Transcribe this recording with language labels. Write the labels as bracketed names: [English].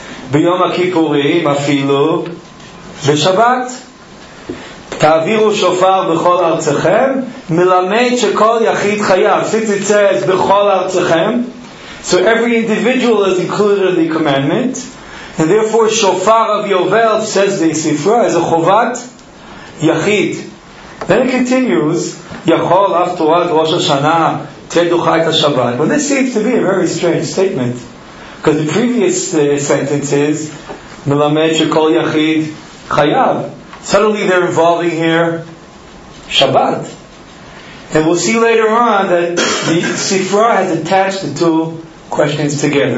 [Hebrew] ביום הכיפורים אפילו בשבת תעבירו שופר בכל ארצכם מלמד שכל יחיד חייב. [English] Since it says [Hebrew] בכל ארצכם, [English] so every individual is included in the commandment, and therefore שופר of יובל, says the Sifra, is a חובת יחיד. [Hebrew] Then it continues, יכול אף תורת ראש השנה תדוחה את השבת. [English] But this seems to be a very strange statement, because the previous sentence is [Hebrew] Melamed Shekol Yachid Chayav. [English] Suddenly they're involving here Shabbat. And we'll see later on that the Sifra has attached the two questions together.